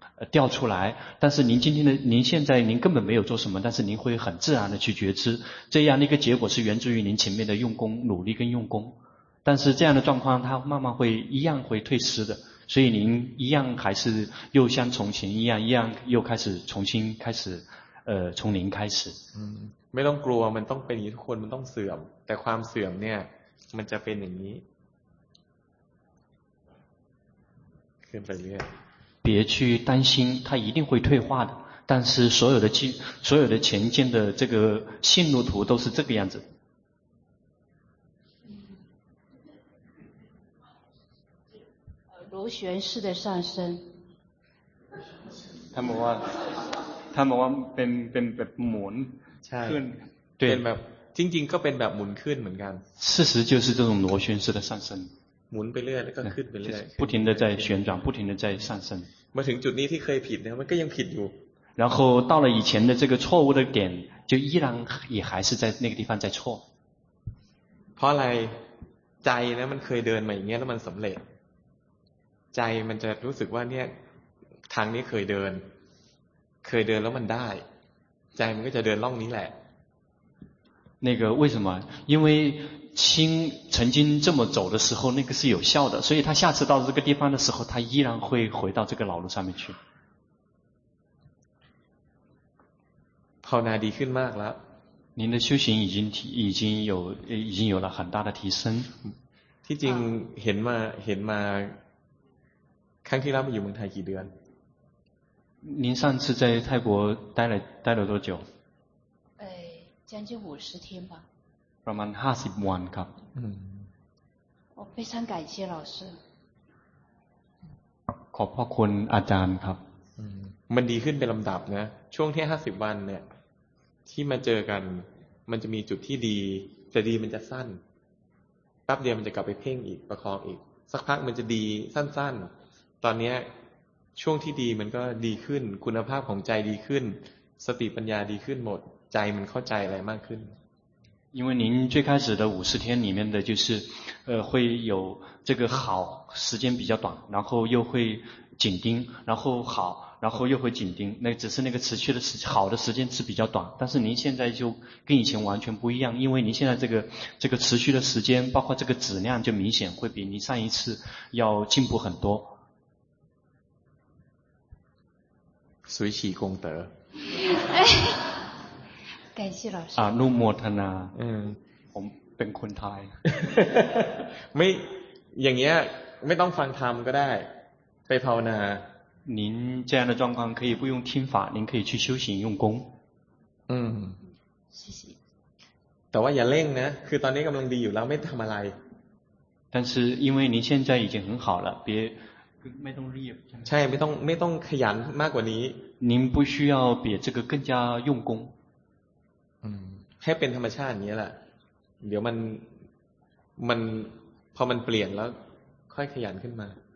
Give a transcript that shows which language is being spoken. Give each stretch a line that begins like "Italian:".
Chinese: 掉出来，但是您现在根本没有做什么，但是您会很自然的去觉知，这样的一个结果是源自于您前面的用功、努力跟用功，但是这样的状况它慢慢会一样会退失的，所以您一样还是又像从前一样又开始重新开始，从零开始。
Thai: 嗯，ไม่ต้องกลัว，มันต้องเป็นทุกคน，มันต้องเสื่อม，แต่ความเสื่อมเนี่ย，มันจะเป็นอย่างนี้ขึ้นไปเรื่อย。
Chinese: 别去担心它一定会退化的但是所有的前进的这个线路图都是这个样子螺旋式的上升他们说
Thai: เป็นหมุนขึ้น
Chinese: 对
Thai: จริงจริงก็เป็นแบบหมุนขึ้นเหมือนกัน
Chinese: 事实就是这种螺旋式的上升
Thai: หมุนไปเรื่อยแล้วก็ขึ้นไปเรื่อย
Chinese: 不停的在旋转不停的在上升
Thai: มาถึงจุดนี้ที่เคยผิดเนี่ยมันก็ยังผิดอยู่
Chinese: 然后到了以前的这个错误的点就依然也还是在那个地方在错
Thai: เพราะอะไรใจนะมันเคยเดินมาอย่างเงี้ยแล้วมันสำเร็จใจมันจะรู้สึกว่าเนี่ยทางนี้เคยเดินแล้วมันได้ใจมันก็จะเดินล่องนี้แหละ
Chinese: 那个为什么因为心曾经这么走的时候那个是有效的所以他下次到这个地方的时候他依然会回到这个老路上面去
Thai: ภาวนาดีขึ้นมากแล้ว
Chinese: 您的修行已经有了很大的提升
Thai: ที่จริงเห็นมาครั้งที่แล้วมาอยู่เมืองไทยกี่เดือน
Chinese: 您上次在泰国待了多久将近50天吧
Thai: ประมาณ50 วันครับ
Chinese: โอ้非常感谢老师
Thai: ขอบพระคุณอาจารย์ครับ มันดีขึ้นเป็นลำดับนะช่วงที่50 วันเนี่ยที่มาเจอกันมันจะมีจุดที่ดีแต่ดีมันจะสั้นแป๊บเดียวมันจะกลับไปเพ่งอีกประคองอีกสักพักมันจะดีสั้นๆตอนนี้ช่วงที่ดีมันก็ดีขึ้นคุณภาพของใจดีขึ้นสติปัญญาดีขึ้นหมดใจมันเข้าใจอะไรมากขึ้น
Chinese: 因为您最开始的50天里面的就是会有这个好时间比较短然后又会紧盯然后好然后又会紧盯那只是那个持续的好的时间是比较短但是您现在就跟以前完全不一样因为您现在这个持续的时间包括这个质量就明显会比您上一次要进步很多随喜功德感谢老师
Thai: อนุโมทนา ผ มเป็นคนไทย ไม่อย่างเงี้ยไม่ต้องฟังธรรมก็ได้ไปภาวนา
Chinese: 您这样的状况可以不用听法您可以去修行用功谢谢
Thai: แต่ว่าอย่าเร่งนะคือตอนนี้กำลังดีอยู่แล้วไม่ทำอะไร
Chinese: 但是因为您现在已经很好了别
Thai: ไม่ต้องรีบ ใช่ไม่ต้องขยันมากกว่านี้
Chinese: 您不需要比这个更加用功
Thai: ให้เป็นธรรมชาตินี้แหละเดี๋ยวมันพอมันเปลี่ยนแล้วค่อยขยันขึ้นมา